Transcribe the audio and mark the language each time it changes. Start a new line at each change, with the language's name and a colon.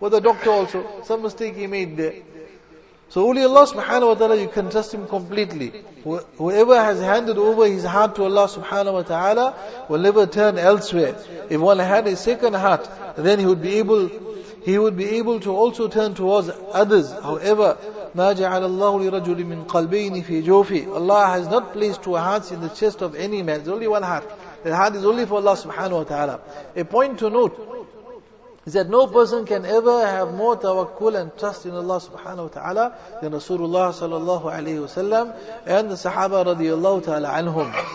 English: Well, the doctor also, some mistake he made there. So only Allah subhanahu wa ta'ala, you can trust Him completely. Whoever has handed over his heart to Allah subhanahu wa ta'ala will never turn elsewhere. If one had a second heart, then he would be able to also turn towards others. However,
Arabic: مَا جَعَلَ اللَّهُ لِرَجُلٍ مِّن قَلْبَيْنِ فِي جَوْفِ.
English: Allah has not placed two hearts in the chest of any man. There's only one heart. The heart is only for Allah subhanahu wa ta'ala. A point to note, He said, no person can ever have more tawakkul and trust in Allah subhanahu wa ta'ala than Rasulullah sallallahu alayhi wa sallam and the Sahaba radiallahu ta'ala anhum.